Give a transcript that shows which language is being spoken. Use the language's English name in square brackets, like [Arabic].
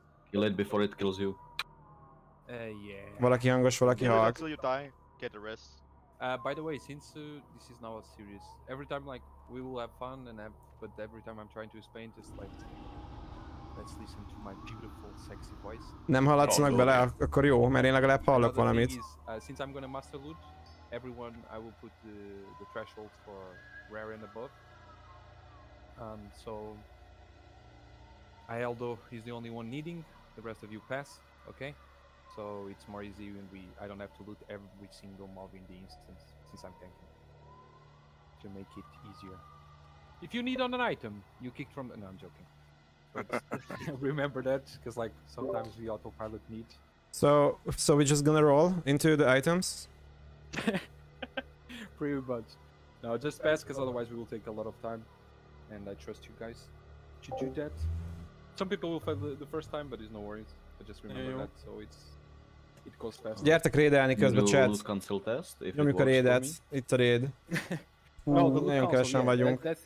[English] Kill it before it kills you. Yeah. [Hungarian] Valaki hangos, valaki halk. [English] Until you die, get the rest. By the way, since this is now a series, every time like we will have fun and have, but every time I'm trying to explain, just like let's listen to my beautiful, sexy voice. [Hungarian] Nem hallatszanak bele, akkor jó, mert én legalább hallok valamit. [English] Is, since I'm gonna master loot, everyone, I will put the threshold for rare and above. So Aldo is the only one needing. The rest of you pass, okay? So it's more easy when I don't have to loot every single mob in the instance, since I'm tanking. To make it easier. If you need on an item, you kick from the... No, I'm joking. But remember that, because like, sometimes we autopilot need. So we're just gonna roll into the items? Pretty much. No, just pass, because otherwise we will take a lot of time. And I trust you guys to do that. Some people will fail the first time, but it's no worries. I just remember that, so it's... [Hungarian] Gyertek rédelni közben, chat! Nyomjuk a rédet, itt a réd. Nagyon kevesen vagyunk.